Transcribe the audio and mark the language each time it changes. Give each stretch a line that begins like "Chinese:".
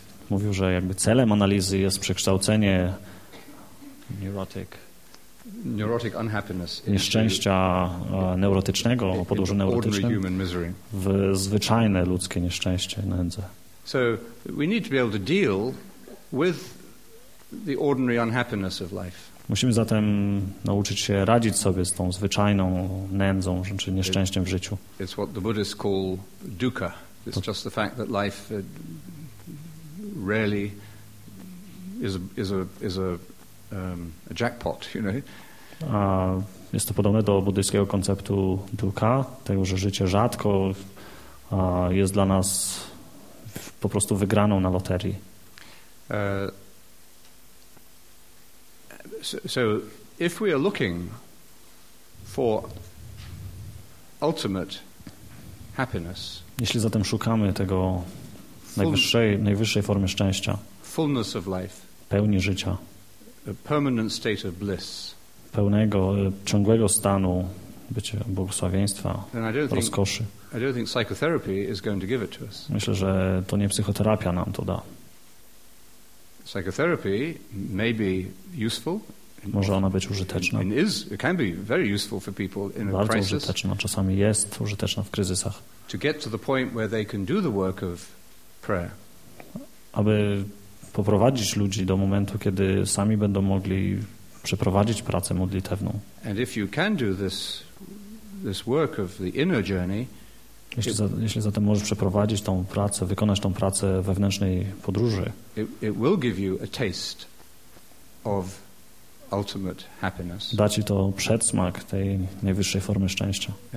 Polish: mówił, że jakby celem analizy jest przekształcenie
English: neurotic unhappiness
Polish: nieszczęścia neurotycznego o podłożu neurotycznym w zwyczajne ludzkie nieszczęście, nędzę.
English: So we need to be able to deal with the ordinary unhappiness of life.
Polish: Musimy zatem nauczyć się radzić sobie z tą zwyczajną nędzą, czy nieszczęściem w życiu.
English: It's what the Buddhists call dukkha. It's just the fact that life rarely is a jackpot, you know.
Polish: A jest to podobne do buddyjskiego konceptu dukkha, tego, że życie rzadko jest dla nas po prostu wygraną na loterii.
English: So if we are looking for ultimate happiness,
Polish: jeśli zatem szukamy tego najwyższej formy szczęścia,
English: fullness of life,
Polish: pełni życia,
English: a permanent state of bliss,
Polish: pełnego, ciągłego stanu bycia, błogosławieństwa, rozkoszy.
English: I don't think psychotherapy is going to give it to us.
Polish: Myślę, że to nie psychoterapia nam to da.
English: Psychotherapy may be useful.
Polish: Może ona być użyteczna.
English: It can be very useful for people in a crisis.
Polish: Bardzo użyteczna, czasami jest użyteczna w kryzysach.
English: To get to the point where they can do the work of prayer.
Polish: Aby poprowadzić ludzi do momentu, kiedy sami będą mogli przeprowadzić pracę modlitewną.
English: And if you can do this work of the inner journey,
Polish: jeśli zatem możesz przeprowadzić tą pracę, wykonać tą pracę wewnętrznej podróży,
English: it will give you a taste of ultimate happiness.
Polish: Da ci to przedsmak tej najwyższej formy szczęścia.